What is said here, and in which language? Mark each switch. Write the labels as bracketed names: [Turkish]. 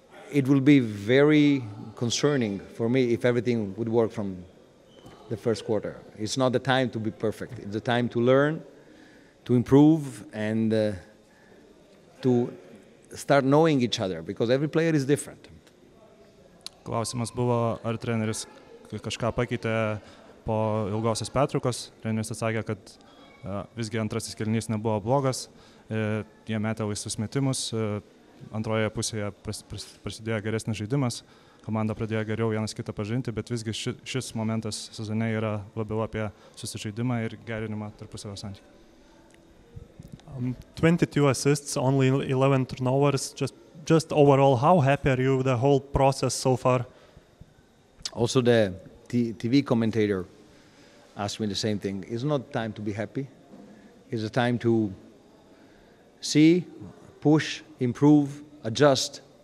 [English] It will be very concerning for me if everything would work from the first quarter. It's not the time to be perfect. It's the time to learn, to improve, and to start knowing each other, because every player is different. [Lithuanian] Klausimas buvo, ar treneris kažką pakeitė po ilgosios pertraukos. Treneris atsakė, kad visgi antrasis kelinys nebuvo blogas. Jie metė laisvus metimus. Antroje pusėje prasidėjo geresnis žaidimas. Komanda pradėjo geriau vienas kitą pažinti, bet visgi šis momentas sezone yra labiau apie susižaidimą ir gerinimą tarpusavio santykių. [English] 22 assists, only 11 turnovers. Just overall, how happy are you with the whole process so far? Also, the TV commentator asked me the same thing. It's not time to be happy. It's a time to see, push, improve, adjust.